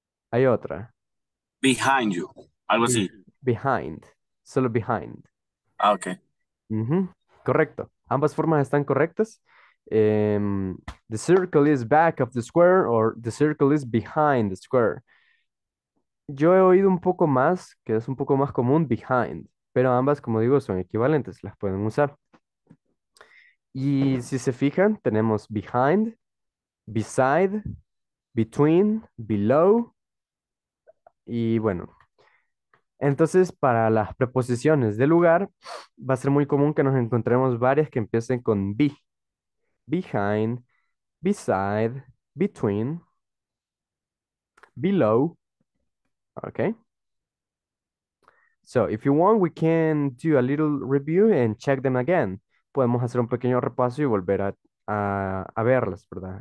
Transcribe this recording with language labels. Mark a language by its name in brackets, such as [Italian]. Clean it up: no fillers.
[Spanish] Hay otra. Behind you. Algo así. Behind. Solo behind. Ah, ok. Correcto. Ambas formas están correctas. [English] The circle is back of the square or the circle is behind the square. [Spanish] Yo he oído un poco más, que es un poco más común, behind. Pero ambas, como digo, son equivalentes. Las pueden usar. Y si se fijan, tenemos behind, beside, between, below. Y bueno. Entonces, para las preposiciones de lugar, va a ser muy común que nos encontremos varias que empiecen con be. Behind, beside, between, below. Okay. [English] So, if you want, we can do a little review and check them again. [Spanish] Podemos hacer un pequeño repaso y volver a verlas, ¿verdad?